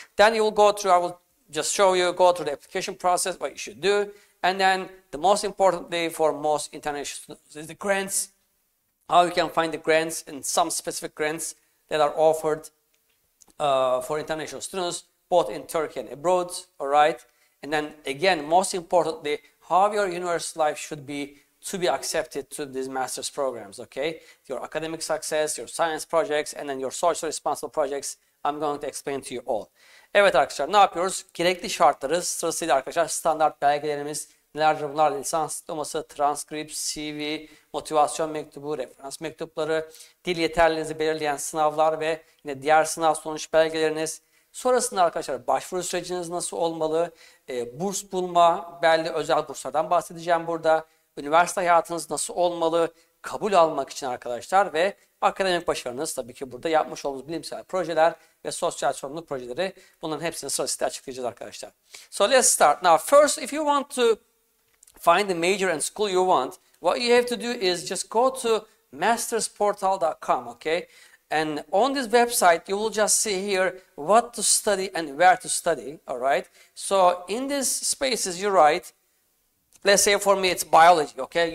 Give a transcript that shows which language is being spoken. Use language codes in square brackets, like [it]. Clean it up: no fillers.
[en] Then you will go through, I will just show you, go through the application process, what you should do, and then the most important thing for most international students is the grants, how you can find the grants and some specific grants that are offered for international students, both in Turkey and abroad, all right? And then again, most importantly, how your university life should be to be accepted to these master's programs, okay? Your academic success, your science projects, and then your social responsible projects, I'm going to explain to you all. [tr] Evet arkadaşlar, ne yapıyoruz? Gerekli şartları sırasıyla arkadaşlar, standart belgelerimiz, nelerdir bunlar, lisans diploması, transkript, CV, motivasyon mektubu, referans mektupları, dil yeterliliğinizi belirleyen sınavlar ve yine diğer sınav sonuç belgeleriniz. Sonrasında arkadaşlar başvuru süreciniz nasıl olmalı, burs bulma, belli özel burslardan bahsedeceğim burada, üniversite hayatınız nasıl olmalı, kabul almak için arkadaşlar ve akademik başarınız tabii ki burada yapmış olduğunuz bilimsel projeler ve sosyal sorumluluk projeleri, bunların hepsini sırasıyla açıklayacağız arkadaşlar. [en] So let's start. Now first, if you want to find the major and school you want, what you have to do is just go to mastersportal.com, okay? And on this website, you will just see here what to study and where to study, all right? So in these spaces, you write, let's say for me, it's biology, okay?